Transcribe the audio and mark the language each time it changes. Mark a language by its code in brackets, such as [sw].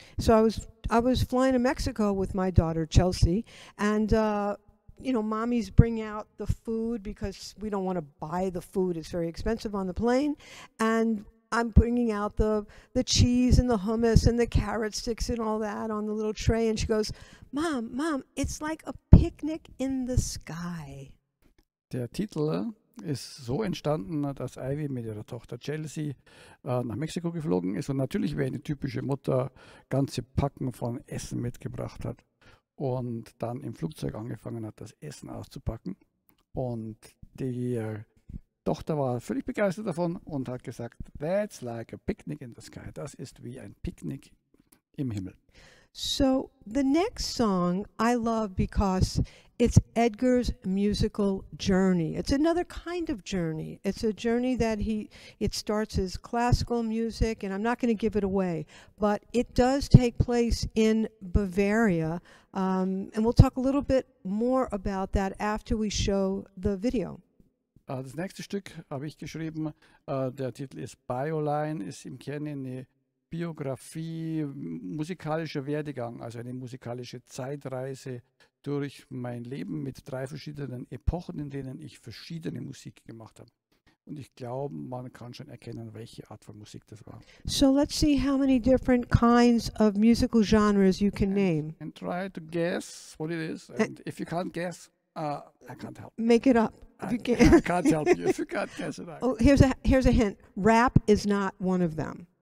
[en] So I was flying to Mexico with my daughter Chelsea, and you know, mommies bring out the food because we don't want to buy the food. It's very expensive on the plane. And I'm bringing out the cheese and the hummus and the carrot sticks and all that on the little tray. And she goes, Mom, it's like a picnic in the sky. [de] Der Titel ist so entstanden, dass Ivy mit ihrer Tochter Chelsea nach Mexiko geflogen ist. Und natürlich, wie eine typische Mutter, ganze Packen von Essen mitgebracht hat. Und dann im Flugzeug angefangen hat, das Essen auszupacken. Und die Tochter war völlig begeistert davon und hat gesagt, [en] that's like a picnic in the sky. [de] Das ist wie ein Picknick im Himmel. [en] So the next song I love because it's Edgar's musical journey. It's another kind of journey. It's a journey that it starts as classical music, and I'm not going to give it away, but it does take place in Bavaria. And we'll talk a little bit more about that after we show the video. [de] Das nächste Stück habe ich geschrieben. Der Titel ist Bioline, ist im Kern eine Biografie, musikalischer Werdegang, also eine musikalische Zeitreise durch mein Leben mit drei verschiedenen Epochen, in denen ich verschiedene Musik gemacht habe. Und ich glaube, man kann schon erkennen, welche Art von Musik das war. [en] So let's see how many different kinds of musical genres you can name. And try to guess what it is. And if you can't guess, I can't help. Make it up. I can't help you. If you can't guess it, I can't. Oh, here's a hint. Rap is not one of them.